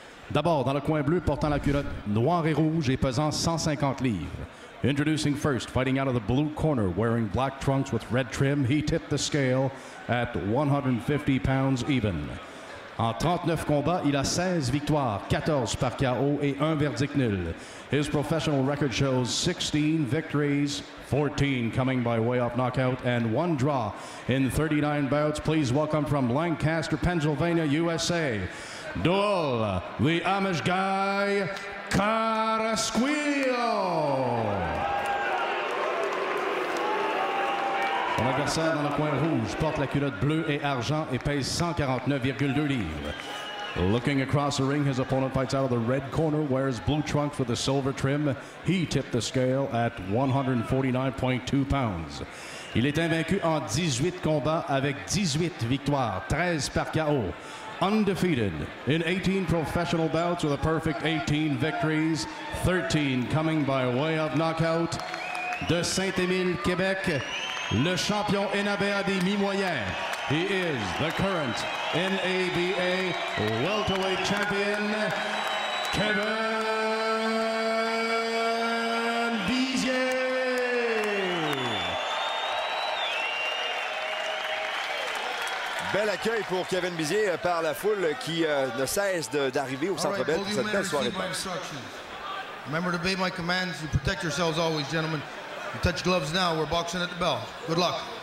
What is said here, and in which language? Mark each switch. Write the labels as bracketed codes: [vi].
[fr] D'abord, dans le coin bleu, portant la culotte noire et rouge et pesant 150 livres. [en] Introducing first, fighting out of the blue corner, wearing black trunks with red trim, he tipped the scale at 150 pounds even. [fr] En 39 combats, il a 16 victoires, 14 par KO et un verdict nul. [en] His professional record shows 16 victories, 14 coming by way of knockout, and one draw in 39 bouts. Please welcome from Lancaster, Pennsylvania, USA, Duel, the Amish guy, Carrasquillo. [fr] Son adversaire dans le coin rouge porte la culotte bleue et argent et pèse 149,2 livres. [en] Looking across the ring, his opponent fights out of the red corner, wears blue trunks with a silver trim. He tipped the scale at 149.2 pounds. [fr] Il est invaincu en 18 combats avec 18 victoires, 13 par KO. [en] Undefeated in 18 professional bouts with a perfect 18 victories, 13 coming by way of knockout. [fr] De Saint-Émile, Québec, le champion NABA des mi-moyens. [en] He is the current NABA welterweight champion, Kevin Bisier. [fr] Bel accueil pour Kevin Bisier par la foule qui ne cesse d'arriver au Centre Bell cette belle soirée. [en] Remember to obey my commands. You protect yourselves always, gentlemen. You touch gloves now. We're boxing at the bell. Good luck.